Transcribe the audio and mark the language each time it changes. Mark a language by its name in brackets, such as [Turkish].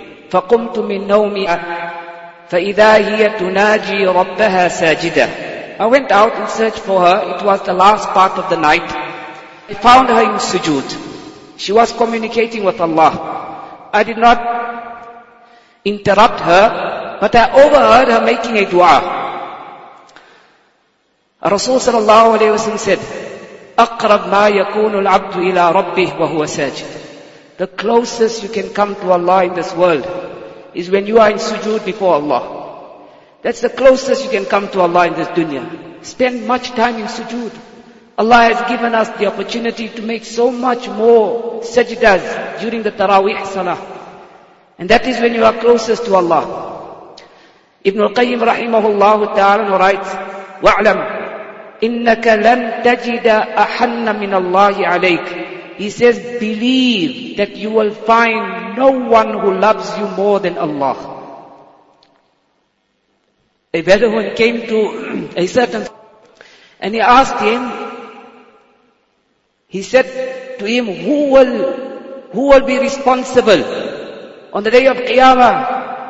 [Arabic] فَقُمْتُ مِنْ نَوْمِي فَإِذَا هِيَ تُنَاجِي رَبَّهَا سَاجِدًا. [English] I went out in search for her. It was the last part of the night. I found her in sujood. She was communicating with Allah. I did not interrupt her, but I overheard her making a dua. Rasul sallallahu alayhi wa sallam said, [Arabic] أَقْرَبْ مَا يَكُونُ الْعَبْدُ إِلَىٰ رَبِّهِ وَهُوَ سَاجِدٌ. [English] The closest you can come to Allah in this world is when you are in sujood before Allah. That's the closest you can come to Allah in this dunya. Spend much time in sujood. Allah has given us the opportunity to make so much more sajdas during the Taraweeh Salah. And that is when you are closest to Allah. Ibn al-Qayyim rahimahullah ta'ala writes, [Arabic] وَعْلَمْ إِنَّكَ لَنْ تَجِدَ أَحَنَّ مِنَ اللَّهِ عَلَيْكَ. [English] He says, believe that you will find no one who loves you more than Allah. A Bedouin came to a certain, and he asked him, he said to him, who will be responsible on the day of Qiyamah?